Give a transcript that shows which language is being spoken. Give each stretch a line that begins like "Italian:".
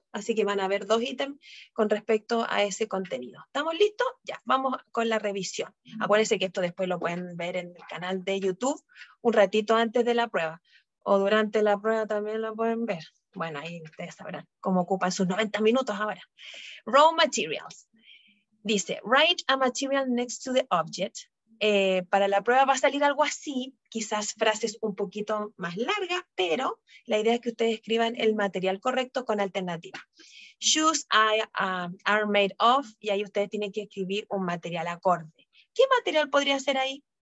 Spanish: Así que van a ver dos ítems con respecto a ese contenido. ¿Estamos listos? Ya, vamos con la revisión. Acuérdense que esto después lo pueden ver en el canal de YouTube un ratito antes de la prueba. O durante la prueba también lo pueden ver. Bueno, ahí ustedes sabrán cómo ocupan sus 90 minutos ahora.
English: Raw materials. Dice, write a material next to the object.
Spanish: Para la prueba va a salir algo así, quizás frases un poquito más largas, pero la idea es que ustedes escriban el material correcto con alternativa.
English: Shoes are made of,
Spanish: y ahí ustedes tienen que escribir un material acorde. ¿Qué material podría ser ahí?